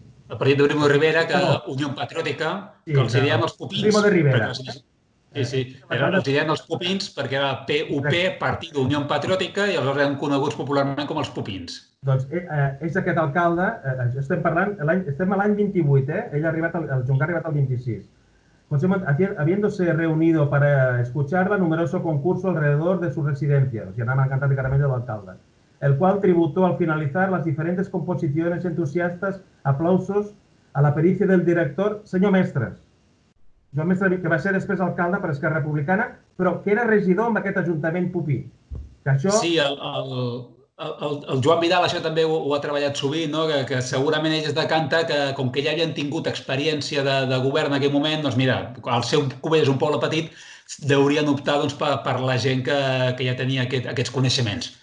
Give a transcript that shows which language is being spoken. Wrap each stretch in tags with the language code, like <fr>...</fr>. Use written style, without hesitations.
<ca>El partit de Primo de Rivera, que Unió Patriòtica, que els diem els copins. Primo de Rivera. Sí, els diem els copins perquè era PUP, Partit d'Unió Patriòtica, i els eren coneguts popularment com els copins. Doncs és aquest alcalde, estem parlant, estem a l'any 28, ell ha arribat, el Juncà ha arribat al 26.</ca> <es>José Montaner, habiéndose reunido para escucharla, numeroso concurso alrededor de su residencia, o sea,</es> <ca>anava a cantar de caramelo l'alcalde,</ca> <es>el qual tributó al finalizar las diferentes composiciones entusiastas, aplausos a la pericia del director, senyor Mestres.</es> <ca>Joan Mestres, que va ser després alcalde per Esquerra Republicana, però que era regidor amb aquest Ajuntament pupí. Que això... Sí, el Joan Vidal això també ho ha treballat sovint, no? que segurament ell es decanta que, com que ja havien tingut experiència de govern en aquell moment, doncs mira, el seu Cubelles és un poble petit, deurien optar doncs, per la gent que ja tenia aquests coneixements.</ca>